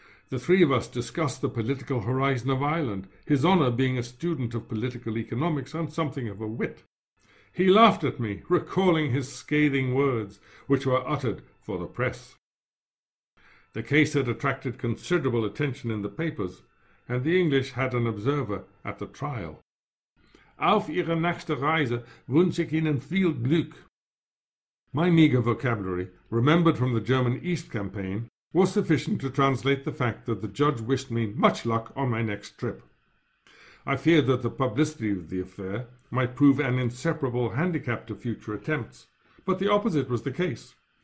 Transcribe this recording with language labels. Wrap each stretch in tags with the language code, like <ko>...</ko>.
<en>The three of us discussed the political horizon of Ireland, His Honour being a student of political economics and something of a wit. He laughed at me, recalling his scathing words, which were uttered for the press. The case had attracted considerable attention in the papers, and the English had an observer at the trial.</en> <de>Auf Ihre nächste Reise wünsche ich Ihnen viel Glück.</de> <en>My meagre vocabulary, remembered from the German East campaign, was sufficient to translate the fact that the judge wished me much luck on my next trip. I feared that the publicity of the affair might prove an inseparable handicap to future attempts, but the opposite was the case.</en>